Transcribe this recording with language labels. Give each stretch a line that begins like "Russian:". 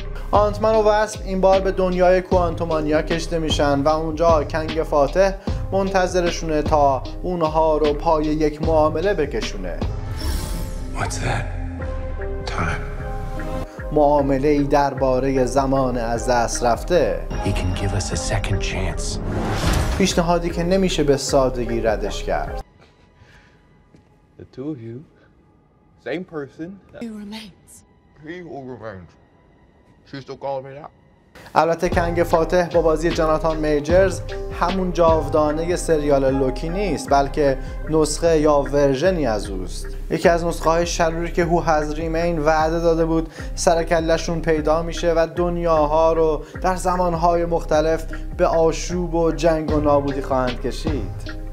Persian: آنتمن و وسپ این بار به دنیای کوانتومانیا کشته میشن و اونجا کنگ فاتح منتظرشونه تا اونها رو پای یک معامله بکشونه.
English: What's that? Time.
Persian: معامله ای درباره زمان از دست رفته.
English: He can give us a second chance.
Persian: پیشنهادی که نمیشه به سادگی ردش کرد.
English: The two of you, same person. He remains. He will remain. She's still calling me that.
Persian: البته کنگ فاتح با بازی جاناتان میجرز همون جاودانه سریال لوکی نیست، بلکه نسخه یا ورژنی از اوست. یکی از نسخه های شروری که هو هز ریمین وعده داده بود سرکلشون پیدا میشه و دنیاها رو در زمانهای مختلف به آشوب و جنگ و نابودی خواهند کشید.